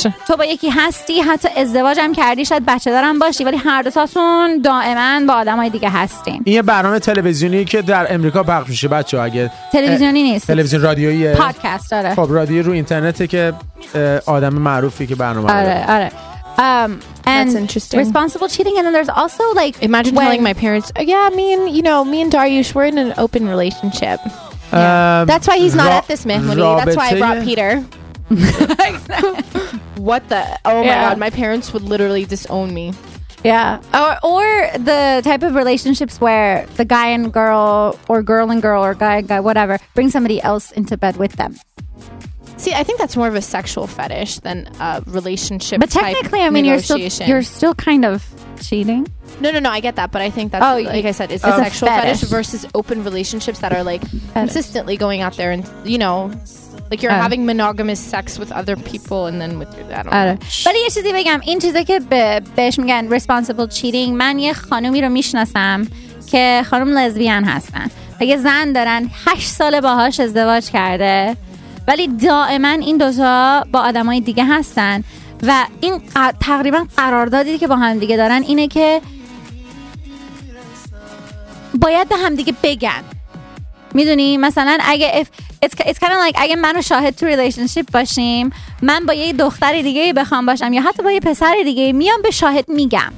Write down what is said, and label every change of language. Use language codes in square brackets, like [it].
[fa] تو با یکی هستی، حتی ازدواج هم کردی، شاید بچه دارم باشی، ولی هر دوتاتون دائما با آدم های دیگه هستین. این یه برنامه تلویزیونی که در امریکا پخش میشه بچه ها. اگه تلویزیونی نیست، تلویزیون رادیویه، پادکست داره. خب رادیو رو اینترنته که آدم معروفی که برنامه آره داره. آره [en] and that's interesting. Responsible cheating, and then there's also like imagine telling my parents, oh, yeah, me and you know me and Dariush were in an open relationship. Yeah. That's why he's not at this Mahmoudi. That's why I brought Peter. What the? Oh my god, my parents would literally disown me. Yeah, or the type of relationships where the guy and girl, or girl and girl, or guy and guy, whatever, bring somebody else into bed with them. See, I think that's more of a sexual fetish than a relationship. But technically, type I mean, you're still kind of cheating. No. I get that, but I think that's I said, it's a sexual fetish versus open relationships that are like consistently going out there and you know, like you're having monogamous sex with other people and then with your. [fa] But یه چیزی بگم، این چیزی که بهش میگن [en] responsible cheating. [fa] من یه خانومی رو میشناسم که خانم لزبیان هستن. یه زن دارن 8 سال باهاش ازدواج کرده. ولی دائما این دوتا با آدم های دیگه هستن و این تقریبا قراردادی که با هم دیگه دارن اینه که باید به هم دیگه بگن، میدونی؟ مثلا اگه [en] it's kind of like [fa] اگه من و شاهد تو ریلیشنشیپ باشیم، من با یه دختر دیگه بخوام باشم یا حتی با یه پسر دیگه، میام به شاهد میگم.